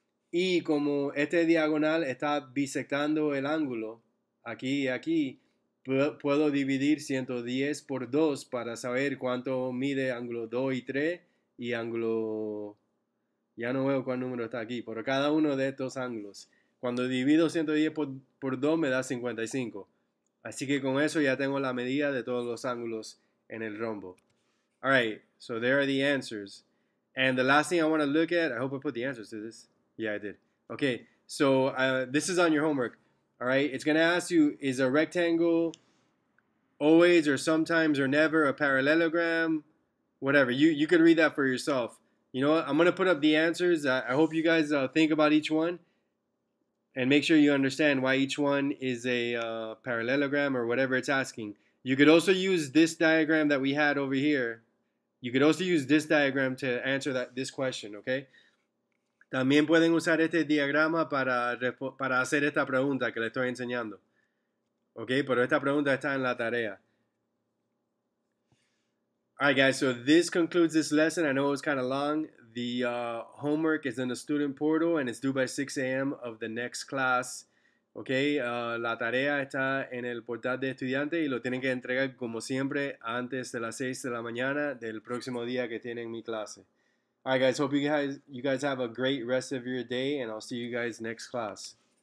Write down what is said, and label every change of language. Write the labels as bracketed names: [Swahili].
[Spanish] Y como este diagonal está bisectando el ángulo, aquí y aquí, puedo dividir 110 por 2 para saber cuánto mide ángulo 2 y 3 y ángulo, ya no veo cuál número está aquí, pero cada uno de estos ángulos. Cuando divido 110 por 2 me da 55. Así que con eso ya tengo la medida de todos los ángulos en el rombo. [English] All right, so there are the answers. And the last thing I want to look at, I hope I put the answers to this. Yeah, I did. Okay, so this is on your homework, all right? It's going to ask you, is a rectangle always or sometimes or never a parallelogram? Whatever, you could read that for yourself. You know what? I'm going to put up the answers. I hope you guys think about each one and make sure you understand why each one is a parallelogram or whatever it's asking. You could also use this diagram that we had over here. You could also use this diagram to answer this question, okay? [Spanish] También pueden usar este diagrama para hacer esta pregunta que les estoy enseñando. Ok, pero esta pregunta está en la tarea. [English] Alright guys, so this concludes this lesson. I know it was kind of long. The homework is in the student portal and it's due by 6 a.m. of the next class. [Spanish] Ok, la tarea está en el portal de estudiante y lo tienen que entregar como siempre antes de las 6 de la mañana del próximo día que tienen mi clase. [English] All right, guys, hope you guys have a great rest of your day, and I'll see you guys next class.